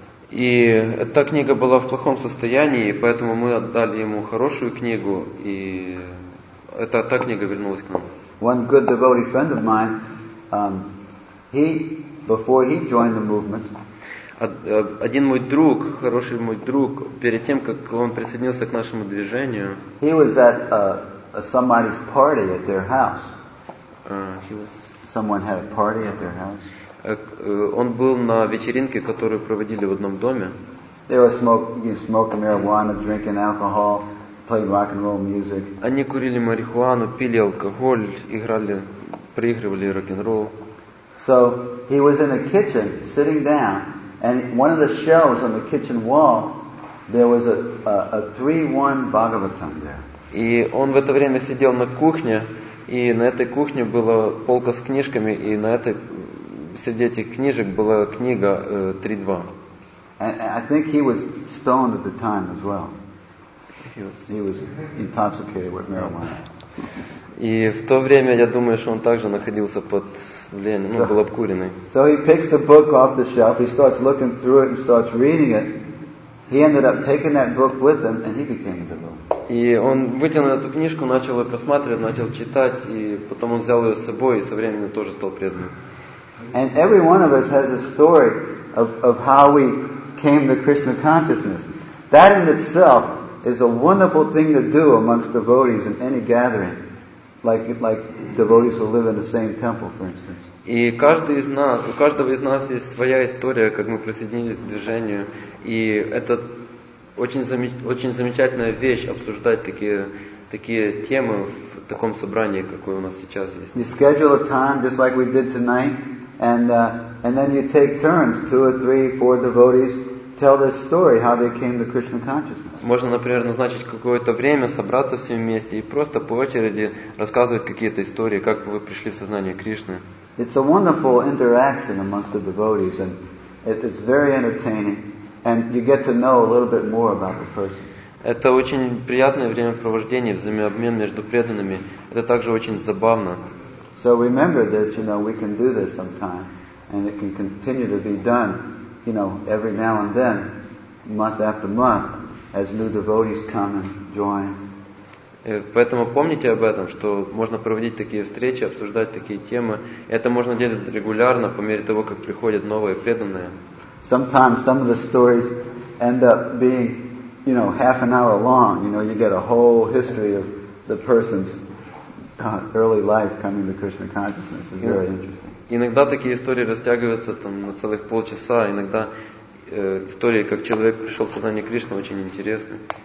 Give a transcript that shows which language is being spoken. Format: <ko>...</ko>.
<ru>И эта книга была в плохом состоянии, поэтому мы отдали ему хорошую книгу, и эта книга вернулась к нам.</ru> <en>One good devotee friend of mine, before he joined the movement.</en> <ru>Один мой друг, хороший мой друг, перед тем как он присоединился к нашему движению.</ru> <en>He was at somebody's party at their house. Someone had a party at their house.</en> <ru>Он был на вечеринке, которую проводили в одном доме.</ru> <en>They were smoking marijuana, drinking alcohol, playing rock and roll music.</en> <ru>Они курили марихуану, пили алкоголь, играли, проигрывали рок-н-ролл.</ru> <en>So he was in a kitchen, sitting down, and one of the shelves on the kitchen wall, there was a 3-1 Bhagavatam there.</en> <ru>И он в это время сидел на кухне. И на этой кухне была полка с книжками, и на этой среди этих книжек была книга 3-2.</ru> <en>I think he was stoned at the time as well. He was intoxicated with marijuana.</en> <ru>И в то время, я думаю, что он также находился под влиянием, ну, был обкуренный.</ru> <en>So he picks the book off the shelf, he starts looking through it and starts reading it. He ended up taking that book with him and he became a devotee.</en> <ru>И он вытянул эту книжку, начал ее просматривать, начал читать, и потом он взял ее с собой и со временем тоже стал преданным.</ru> <en>And every one of us has a story of how we came to Krishna consciousness. That in itself is a wonderful thing to do amongst devotees in any gathering. Like devotees who live in the same temple, for instance.</en> <ru>И каждый из нас, у каждого из нас есть своя история, как мы присоединились к движению, и это очень замечательная вещь обсуждать такие темы в таком собрании, какое у нас сейчас есть.</ru> <en>You schedule a time just like we did tonight, and then you take turns, two or three, four devotees. Tell their story, how they came to Krishna consciousness.</en> <ru>Можно, например, назначить какое-то время, собраться все вместе и просто по очереди рассказывать какие-то истории, как вы пришли в сознание Кришны.</ru> <en>It's a wonderful interaction amongst the devotees, and it's very entertaining, and you get to know a little bit more about the person.</en> <ru>Это очень приятное времяпровождение, взаимообмен между преданными. Это также очень забавно.</ru> <en>So remember this, you know, we can do this sometime, and it can continue to be done. You know, every now and then, month after month, as new devotees come and join.</en> <ru>Поэтому помните об этом, что можно проводить такие встречи, обсуждать такие темы. Это можно делать регулярно по мере того, как приходят новые преданные.</ru> <en>Sometimes some of the stories end up being, you know, half an hour long. You know, you get a whole history of the person's early life coming to Krishna consciousness. It's very interesting.</en> <ru>Иногда такие истории растягиваются там на целых полчаса, иногда истории, как человек пришел в сознание Кришны, очень интересны.</ru>